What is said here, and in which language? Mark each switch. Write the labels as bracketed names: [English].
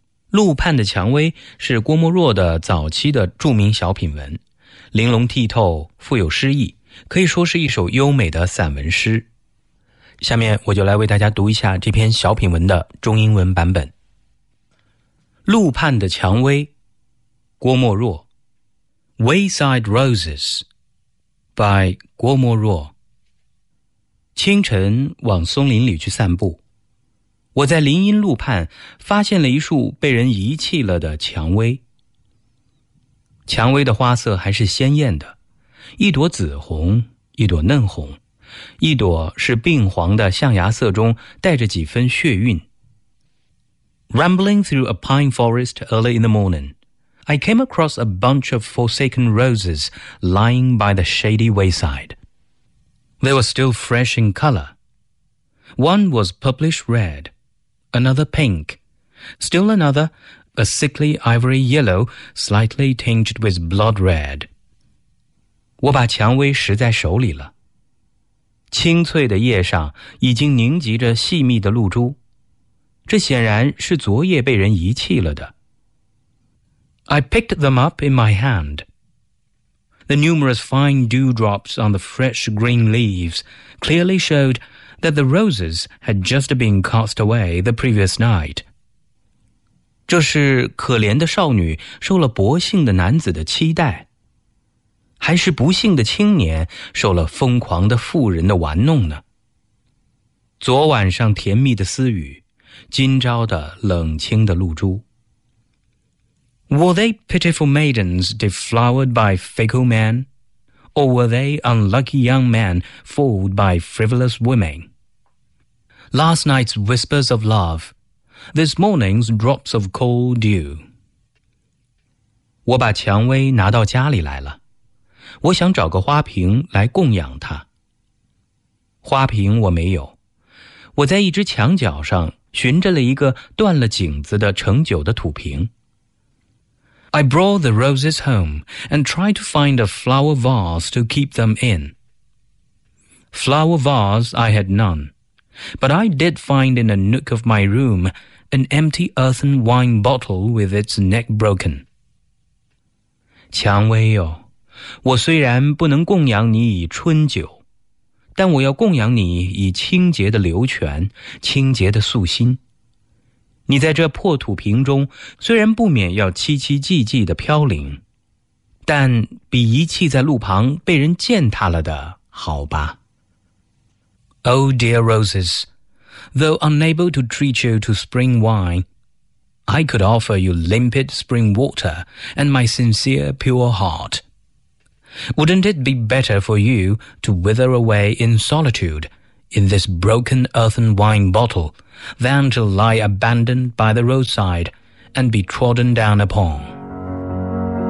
[Chinese] 陆畔的蔷薇是郭沫若的早期的著名小品文，玲珑剔透，富有诗意，可以说是一首优美的散文诗。下面我就来为大家读一下这篇小品文的中英文版本。陆畔的蔷薇，郭沫若。 [English] Wayside Roses by 郭沫若。 [Chinese] 清晨往松林里去散步，我在林荫路畔发现了一束被人遗弃了的蔷薇。蔷薇的花色还是鲜艳的，一朵紫红，一朵嫩红，一朵是病黄的象牙色中带着几分血韵。 [English] Rambling through a pine forest early in the morning, I came across a bunch of forsaken roses lying by the shady wayside. They were still fresh in color. One was purplish red, another pink, still another a sickly ivory yellow slightly tinged with blood red. [Chinese] 我把蔷薇拾在手里了。清脆的叶上已经凝集着细密的露珠，这显然是昨夜被人遗弃了的。 [English] I picked them up in my hand. The numerous fine dewdrops on the fresh green leaves clearly showed that the roses had just been cast away the previous night. [Chinese] 这是可怜的少女受了薄幸的男子的期待，还是不幸的青年受了疯狂的妇人的玩弄呢？昨晚上甜蜜的私语，今朝的冷清的露珠。 [English] Were they pitiful maidens deflowered by fickle men? Or were they unlucky young men fooled by frivolous women? Last night's whispers of love, this morning's drops of cold dew. [Chinese] 我把蔷薇拿到家里来了，我想找个花瓶来供养它。花瓶我没有，我在一只墙角上寻着了一个断了井子的盛酒的土瓶。 [English] I brought the roses home and tried to find a flower vase to keep them in. Flower vase I had none, but I did find in a nook of my room an empty earthen wine bottle with its neck broken. [Chinese] 蔷薇哟，我虽然不能供养你以春酒，但我要供养你以清洁的流泉，清洁的素心。你在这破土瓶中虽然不免要凄凄寂寂的飘零，但比遗弃在路旁被人践踏了的好吧。 [English] Oh dear roses, though unable to treat you to spring wine, I could offer you limpid spring water and my sincere pure heart. Wouldn't it be better for you to wither away in solitude in this broken earthen wine bottle than to lie abandoned by the roadside and be trodden down upon?